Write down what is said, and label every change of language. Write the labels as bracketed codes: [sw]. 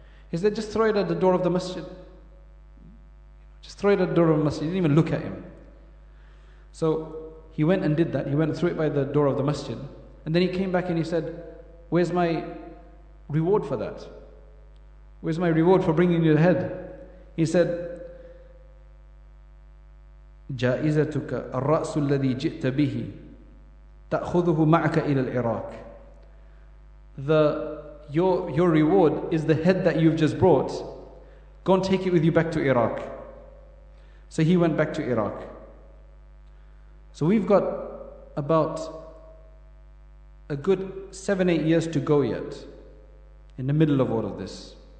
[en] He said, just throw it at the door of the masjid. Just throw it at the door of the masjid. He didn't even look at him. So he went and did that. He went and threw it by the door of the masjid. And then he came back and he said, where's my reward for that? Where's my reward for bringing you the head? [ar] He said, جَائِزَتُكَ الرَّأْسُ الَّذِي جِئْتَ بِهِ تَأْخُذُهُ مَعَكَ إِلَى الْعِرَاقِ. [en] Your reward is the head that you've just brought. Go and take it with you back to Iraq. So he went back to Iraq. So we've got about a good 7-8 years to go yet, in the middle of all of this.